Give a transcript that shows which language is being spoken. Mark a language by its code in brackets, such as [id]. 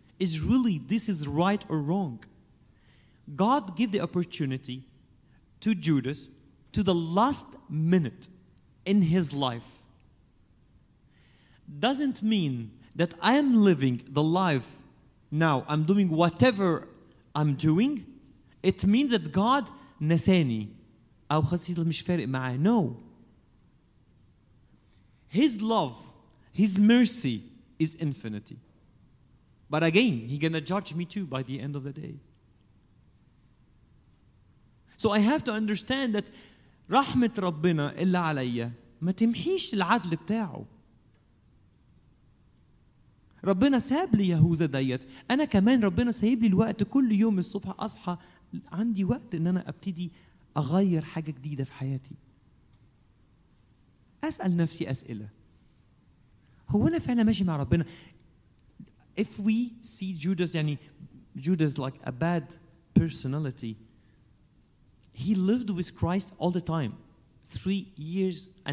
[en] Is really this is right or wrong? God gave the opportunity to Judas to the last minute in his life. Doesn't mean that I am living the life now. I'm doing whatever I'm doing. It means that God [ar] نساني أو خسيت مش فارق معي. [en] No. His love, his mercy is infinity. But again, he's going to judge me too by the end of the day. So I have to understand that [ar] رحمة ربنا إلا عليا ما تمحيش العدل بتاعه. ربنا ساب لي يهوذا ديت. أنا كمان ربنا سايب لي الوقت كل يوم الصبح أصحى عندي وقت إن أنا أبتدي أغير حاجة جديدة في حياتي. أسأل نفسي أسئلة. هو أنا فعلا ماشي مع ربنا؟ [en] If we see Judas, يعني Judas like a bad personality, he lived with Christ all the time, 3.5 years.